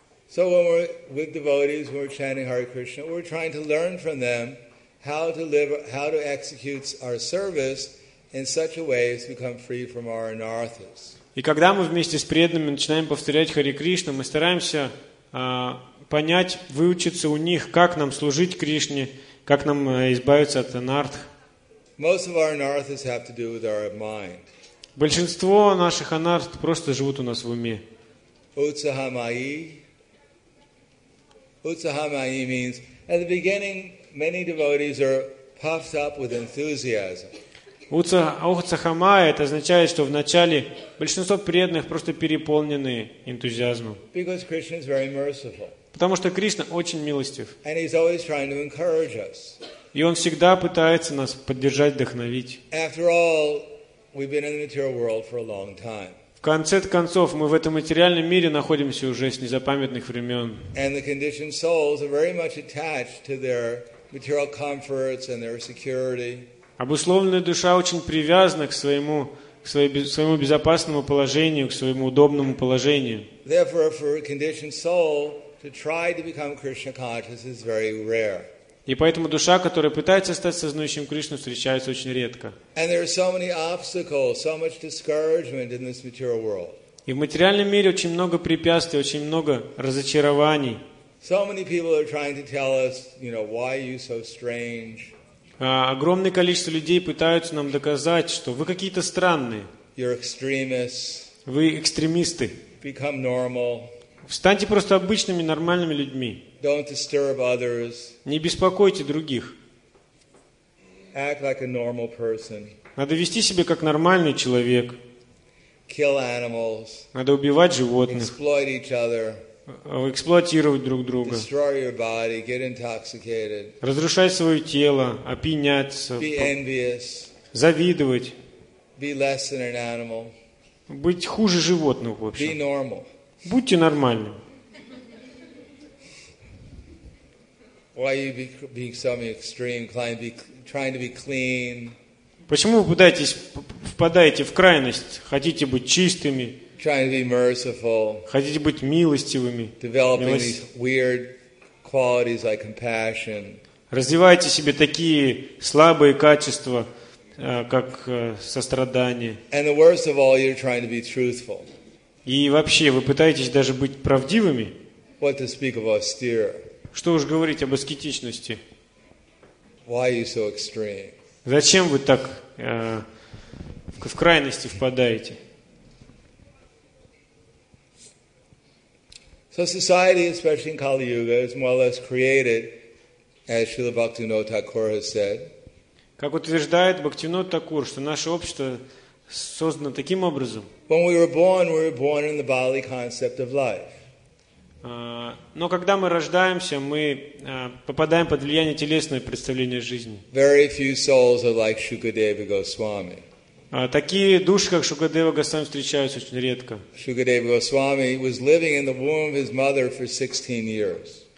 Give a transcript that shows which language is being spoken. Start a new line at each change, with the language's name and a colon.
English: So when we're with devotees, when we're chanting Hare Krishna, we're trying to learn from them how to live, how to execute our service in such a way as to become free from our anarthas.
Russian: И когда мы вместе с преданными начинаем повторять Хари Кришну, мы стараемся понять, выучиться у них, как нам служить Кришне, как нам избавиться от анартх.
English: Most of our anarthas have to do with our mind.
Russian: Большинство наших анартх просто живут у нас в уме.
Sanskrit: Utsahamayi.
English: Utsahamayi means at the beginning many devotees are puffed up with enthusiasm.
Russian: Утсахамая, это означает, что вначале большинство преданных просто переполнены энтузиазмом.
English: Because Krishna is very merciful.
Russian: Потому что Кришна очень милостив.
English: And he's always trying to encourage us.
Russian: И он всегда пытается нас поддержать, вдохновить.
English: After all, we've been in the material world for a long time.
Russian: В конце концов, мы в этом материальном мире находимся уже с незапамятных времен.
English: And the conditioned souls are very much attached to their material comforts and their security.
Russian: Обусловленная душа очень привязана к своему, своему безопасному положению, к своему удобному положению.
English: Therefore, for a conditioned soul to try to become Krishna conscious is very rare.
Russian: И поэтому душа, которая пытается стать сознающим Кришну, встречается очень редко.
English: And there are so many obstacles, so much discouragement in this material world.
Russian: И в материальном мире очень много препятствий, очень много разочарований.
English: So many people are trying to tell us, you know, why are you so strange?
Russian: Огромное количество людей пытаются нам доказать, что вы какие-то странные.
English: You're extremists.
Russian: Вы экстремисты.
English: Become normal.
Russian: Станьте просто обычными, нормальными людьми.
English: Don't disturb others.
Russian: Не беспокойте других.
English: Act like a normal person.
Russian: Надо вести себя как нормальный человек.
English: Kill animals.
Russian: Надо убивать животных.
English: Exploit each other.
Russian: Эксплуатировать друг друга.
English: Destroy your body, get intoxicated.
Russian: Разрушать свое тело, опьяняться.
English: Be envious.
Russian: Завидовать.
English: Be less than an animal.
Russian: Быть хуже животных вообще.
English: Be normal.
Russian: Будьте нормальным.
English: Why are you being so extreme, trying to be clean?
Russian: Почему вы впадаете в крайность, хотите быть чистыми?
English: Trying to be merciful.
Russian: Хотите быть милостивыми.
English: Developing these weird qualities like compassion.
Russian: Развивайте себе такие слабые качества, как сострадание.
English: And the worst of all, you're trying to be truthful.
Russian: И вообще, вы пытаетесь даже быть правдивыми.
English: What to speak of austere?
Russian: Что уж говорить об аскетичности?
English: Why are you so extreme?
Russian: Зачем вы так в крайности впадаете?
English: So society, especially in Kali Yuga, is more or less created, as Srila Bhaktivinoda Thakur has said.
Russian: Как утверждает Бхактивинода Такур, что наше общество создано таким образом.
English: When we were born in the bodily concept of life.
Russian: Но когда мы рождаемся, мы попадаем под влияние телесного представления жизни.
English: Very few souls are like Shukadeva Goswami.
Russian: Такие души, как Шукадева Госвами, встречаются очень редко.
English: Шукадева Госвами was living in the womb of his mother for 16 years.